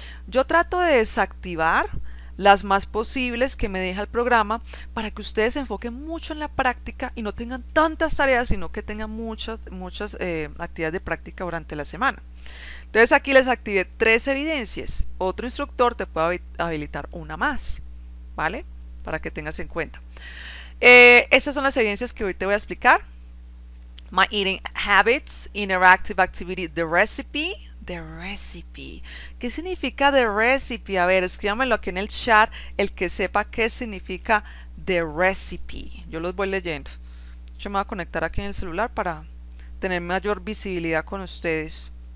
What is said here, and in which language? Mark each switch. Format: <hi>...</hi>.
<es>Yo trato de desactivar las más posibles que me deja el programa para que ustedes se enfoquen mucho en la práctica y no tengan tantas tareas, sino que tengan muchas, muchas actividades de práctica durante la semana. Entonces aquí les activé tres evidencias. Otro instructor te puede habilitar una más, ¿vale? Para que tengas en cuenta. Estas son las evidencias que hoy te voy a explicar.</es> <en>My eating habits, interactive activity, the recipe. The recipe.</en> <es>¿Qué significa the recipe? A ver, escríbamelo aquí en el chat, el que sepa qué significa the recipe. Yo los voy leyendo. Yo me voy a conectar aquí en el celular para tener mayor visibilidad con ustedes.</es>